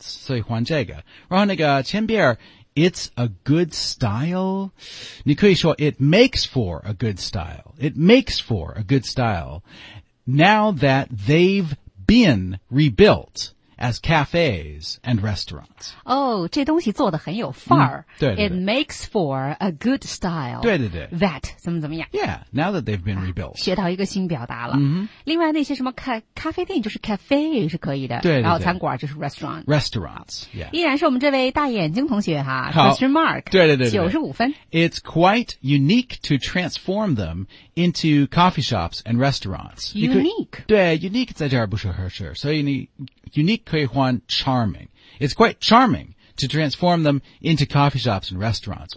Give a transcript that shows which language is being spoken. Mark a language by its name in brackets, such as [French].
[Chinese] 所以换这个。然后那个前边 [English] It's a good style. [Chinese] 你可以说 [English] it makes for a good style. It makes for a good style. Now that they've been rebuilt as cafes and restaurants. [Chinese] Oh, 这东西做得很有范儿。对对对。 [English] It makes for a good style. [Chinese] 对对对。 That, 怎么怎么样。 [English] Yeah, now that they've been rebuilt. [Chinese] 学到一个新表达了。 [English] Mm-hmm. [Chinese] 另外那些什么咖啡店就是 cafe 是可以的。对对对。然后餐馆就是 restaurant。 [English] Restaurants, yeah. [Chinese] 依然是我们这位大眼睛同学哈。 [English] Question mark. [Chinese] 对对 对, 对。 95分。 [English] It's quite unique to transform them into coffee shops and restaurants. Unique. [Chinese] 对 ,unique 在这儿不是合适。所以你Unique 可以换 charming. [English] It's quite charming to transform them into coffee shops and restaurants.